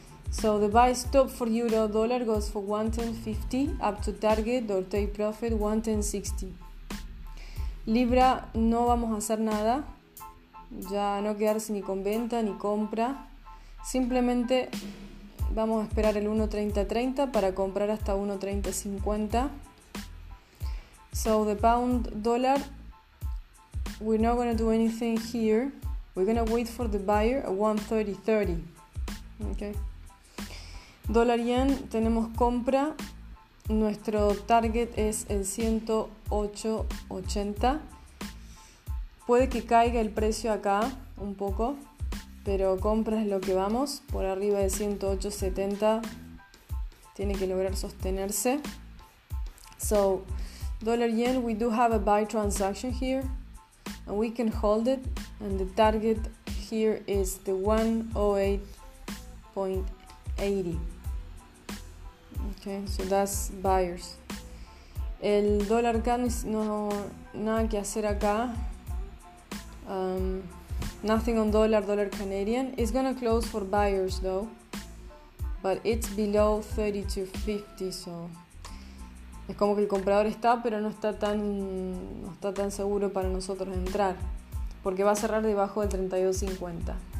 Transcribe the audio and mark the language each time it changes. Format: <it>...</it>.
<en>So the buy stop for euro dollar goes for 1.1050 up to target or take profit 1.1060.</en> <es>Libra, no vamos a hacer nada. Ya no quedarse ni con venta ni compra. Simplemente vamos a esperar el 1.3030 para comprar hasta 1.3050.</es> <en>So the pound dollar, we're not going to do anything here. We're going to wait for the buyer at 1.3030.</en> <es>Okay. Dollar yen, tenemos compra. Nuestro target es el 108.80. Puede que caiga el precio acá un poco, pero compra es lo que vamos. Por arriba de 108.70 tiene que lograr sostenerse.</es> <en>So, dollar yen, we do have a buy transaction here, and we can hold it, and the target here is the 108.80. Okay, so that's buyers.</en> <es>El dólar CAD no nada que hacer acá.</es> <en>Nothing on dollar Canadian. It's gonna close for buyers though, but it's below 32.50, so</en> <es>es como que el comprador está, pero no está tan seguro para nosotros entrar, porque va a cerrar debajo de 32.50.</es>